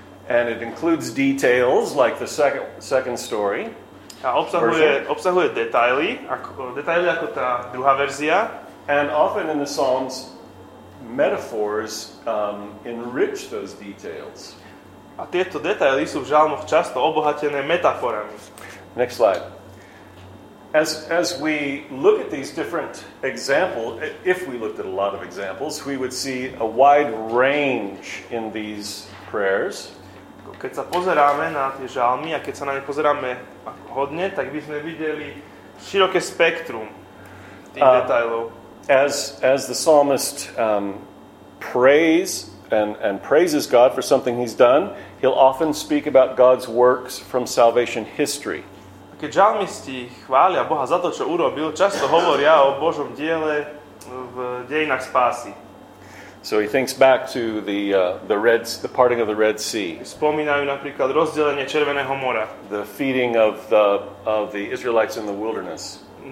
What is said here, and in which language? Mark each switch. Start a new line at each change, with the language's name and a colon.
English: And it includes details like the second story.
Slovak: A obsahuje detaily, ako tá druhá verzia.
English: And often in the psalms, metaphors enrich those details.
Slovak: A tieto detaily sú v žalmoch často obohatené metaforami.
English: Next slide. As we look at these different examples, if we looked at a lot of examples, we would see a wide range in these prayers.
Slovak: Keď sa pozeráme na tie žalmy a keď sa na ne pozeráme hodne, tak by sme videli široké spektrum tých detailov.
English: As the psalmist prays and praises God for something he's done, he'll often speak about God's works from salvation history.
Slovak: Keď žalmisti chvália Boha za to, čo urobil, často hovoria o Božom diele v dejinách spásy.
English: So he thinks back to the parting of the Red Sea.
Slovak: Spomínajú napríklad rozdelenie Červeného mora.
English: The feeding of the Israelites in the wilderness.